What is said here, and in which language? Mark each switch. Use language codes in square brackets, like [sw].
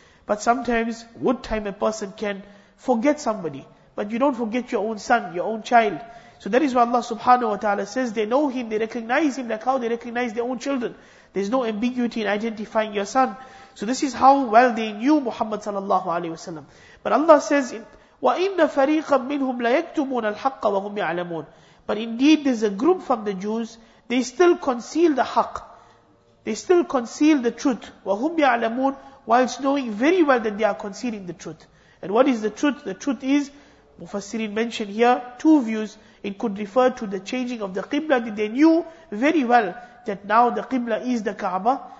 [en] But sometimes, what time a person can forget somebody? But you don't forget your own son, your own child. So that is why Allah subhanahu wa ta'ala says they know him, they recognize him like how they recognize their own children. There's no ambiguity in identifying your son. So this is how well they knew Muhammad sallallahu alayhi wa sallam. But Allah says, [ar] وَإِنَّ فَرِيقًا مِّنْهُمْ لَيَكْتُمُونَ الْحَقَّ وَهُمْ يَعْلَمُونَ. [en] But indeed there's a group from the Jews, they still conceal the haq. They still conceal the truth. [ar] وَهُمْ يَعْلَمُونَ, [en] whilst knowing very well that they are concealing the truth. And what is the truth? The truth is, Mufassirin mentioned here two views. It could refer to the changing of the Qibla, that they knew very well that now the Qibla is the Kaaba.